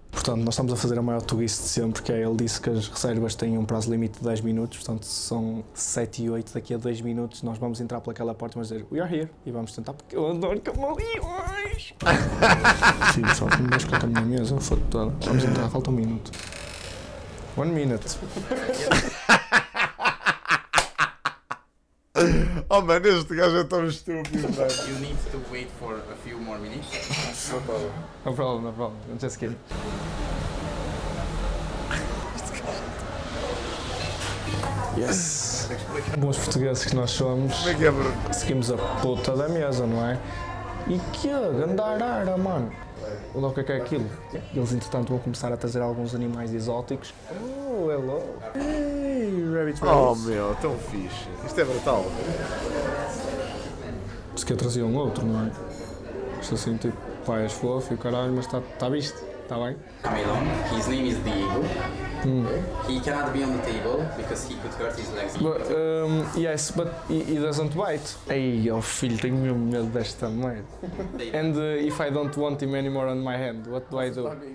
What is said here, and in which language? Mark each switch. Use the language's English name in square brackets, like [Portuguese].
[Portuguese] Portanto, nós estamos a fazer a maior twist de sempre, que é ele disse que as reservas têm um prazo limite de 10 minutos, portanto, se são 7 e 8 daqui a 2 minutos, nós vamos entrar por aquela porta e vamos dizer, we are here, e vamos tentar, porque eu adoro camaleões! Sim, só que me desculpa a minha mesa, foda-se toda. Vamos entrar, falta um minuto. [English] One minute. [Portuguese] Oh, mano, este gajo é tão estúpido, mano. [English] You need to wait for a few more minutes. No problem. I'm just kidding. Yes. [Portuguese] Bons portugueses que nós somos. Como é que é, bro? Seguimos a puta da mesa, não é? E que é? Gandarara, mano. Olha o que é aquilo. Eles, entretanto, vão começar a trazer alguns animais exóticos. [English] Oh, hello. Hey, rabbit rabbits. [Portuguese] Oh, meu, tão fixe. Isto é brutal. Se quer trazer um outro, não é? Isto assim, tipo, pai, és fofo e o caralho, mas está visto. Está bem? [English] Camilo, his name is Diego. He cannot be on the table because he could hurt his legs. Yes, but he doesn't bite. [Portuguese] Ei, oh filho, tenho medo desta merda. [English] And if I don't want him anymore on my hand, what do I do?